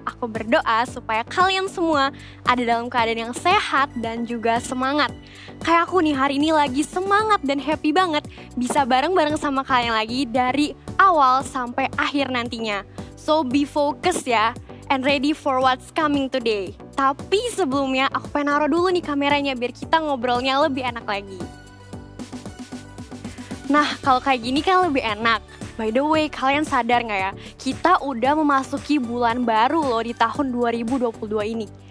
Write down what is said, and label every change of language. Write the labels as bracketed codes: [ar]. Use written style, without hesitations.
[id] Aku berdoa supaya kalian semua ada dalam keadaan yang sehat dan juga semangat. Kayak aku nih hari ini lagi semangat dan happy banget bisa bareng-bareng sama kalian lagi dari awal sampai akhir nantinya. [en] So be focused ya and ready for what's coming today. [id] Tapi sebelumnya aku pengen naruh dulu nih kameranya biar kita ngobrolnya lebih enak lagi. Nah, kalau kayak gini kan lebih enak. [en] By the way, [id] kalian sadar gak ya? Kita udah memasuki bulan baru loh di tahun 2022 ini.